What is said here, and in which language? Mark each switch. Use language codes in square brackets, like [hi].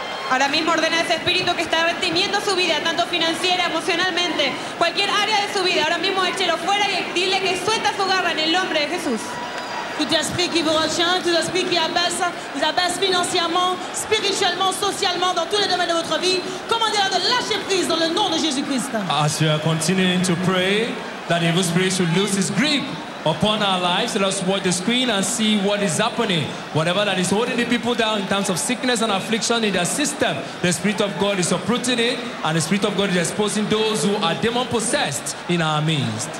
[es] Ahora mismo ordena ese espíritu que está reteniendo su vida, tanto financiera, emocionalmente, cualquier área de su vida. Ahora mismo échelo fuera y dile que suelta su garra en el nombre de Jesús. [fr] Tout esprit qui vous retient, tout esprit qui abaisse financièrement, spirituellement, socialement, dans tous les domaines de votre vie, commandez-le de lâcher prise dans le nom de Jésus-Christ. [en] As you are continuing to pray, that evil spirit should lose his grip upon our lives, let us watch the screen and see what is happening. Whatever that is holding the people down in terms of sickness and affliction in their system, the Spirit of God is uprooting it, and the Spirit of God is exposing those who are demon-possessed in our midst.